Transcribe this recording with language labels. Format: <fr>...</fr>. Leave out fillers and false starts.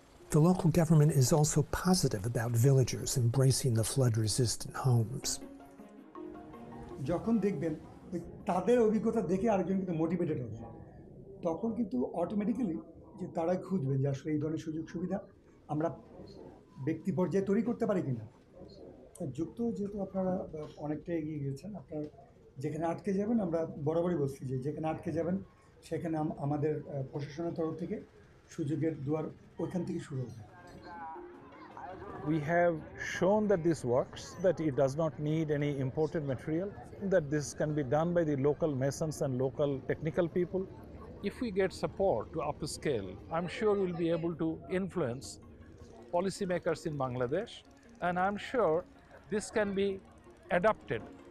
<en>The local government is also positive about villagers embracing the flood-resistant homes.</en> <bn>যখন দেখবেন তাদের অভিজ্ঞতা দেখে আরেকজন কিন্তু মোটিভেটেড হবে তখন কিন্তু অটোমেটিক্যালি যে তারা খুঁজবে যে আসলে এই ধরনের সুযোগ সুবিধা আমরা ব্যক্তি পর্যায়ে তৈরি করতে পারি কিনা যুক্ত যেহেতু আপনারা অনেকটা এগিয়ে গিয়েছেন আপনার যেখানে আটকে যাবেন আমরা বরাবরই বলছি যে যেখানে আটকে যাবেন সেখানে আমাদের প্রশাসনের তরফ থেকে সুযোগের দুয়ার ওইখান থেকে শুরু হবে</bn> <en>We have shown that this works, that it does not need any imported material, that this can be done by the local masons and local technical people. If we get support to upscale, I'm sure we'll be able to influence policymakers in Bangladesh, and I'm sure this can be adapted.</en>